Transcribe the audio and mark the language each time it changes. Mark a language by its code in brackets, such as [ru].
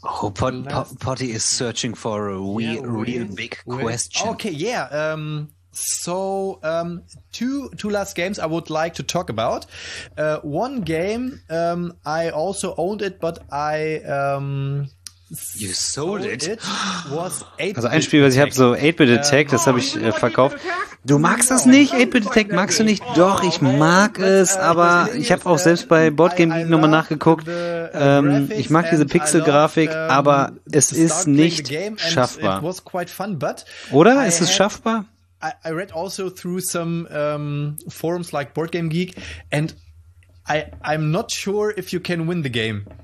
[en] Oh, Potty is searching for a real big question. Okay, yeah. Two last games I would like to talk about. One game, I also owned it, but I You sold it. [de] Also ein Spiel, was ich habe, so 8-Bit Attack, das habe ich verkauft. Du magst das nicht? 8-Bit Attack magst du nicht? Doch, ich mag es, aber ich habe auch selbst bei Board Game Geek nochmal nachgeguckt. Ich mag diese Pixel-Grafik, aber es ist nicht schaffbar. Oder? Ist es schaffbar? [en] I read also through some forums like Board Game Geek and I'm not sure if you can win the game.